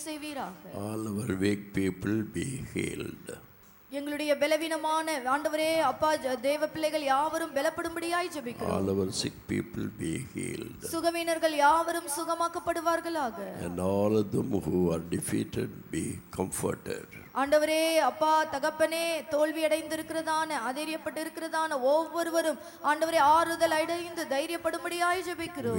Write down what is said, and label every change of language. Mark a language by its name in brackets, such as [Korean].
[Tamil] செய்வீராக. எங்களுடைய பலவீனமான ஆண்டவரே அப்பா தேவ பிள்ளைகள் யாவரும் பலப்படும்படியாய் ஜெபிக்கிறோம். [English] All our sick people be healed. [Tamil] சுகவீனர்கள் யாவரும் சுகமாக்கப்படுவார்களாக. [English] And all of them who are defeated be comforted. [Tamil] ஆண்டவரே அப்பா தகப்பனே தோல்வி அடைந்திருக்கிறதான அதிரியப்பட்டிருக்கிறதான ஒவ்வொருவரும் ஆண்டவரே ஆறுதல் அடைந்து தைரியப்படும்படியாய் ஜெபிக்கிறோம்.